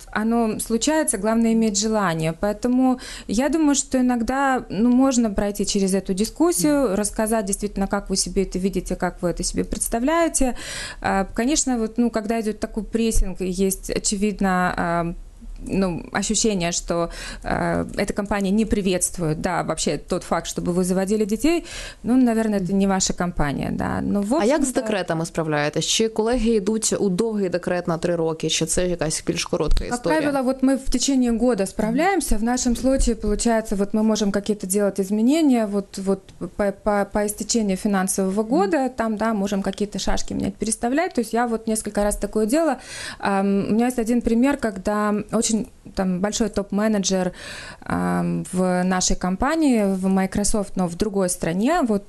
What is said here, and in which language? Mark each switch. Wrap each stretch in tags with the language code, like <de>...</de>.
<ru>оно случается, главное иметь желание. Поэтому я думаю, что иногда можно пройти через эту дискуссию, рассказать действительно, как вы себе это видите, как вы это себе представляете. Конечно, когда идет такой прессинг, есть очевидно ощущение, что эта компания не приветствует, да, вообще тот факт, чтобы вы заводили детей, наверное, это не ваша компания, да.</ru> <uk>Як з декретами справляєтесь? Чи колеги йдуть у довгий декрет на 3 роки, чи це якась більш коротка історія?</uk> <ru>Как правило, мы в течение года справляемся, в нашем случае, получается, мы можем какие-то делать изменения, по истечении финансового года, там, да, можем какие-то шашки менять, переставлять, то есть я несколько раз такое делала, у меня есть один пример, когда очень большой топ-менеджер в нашей компании, в Microsoft, но в другой стране.</ru>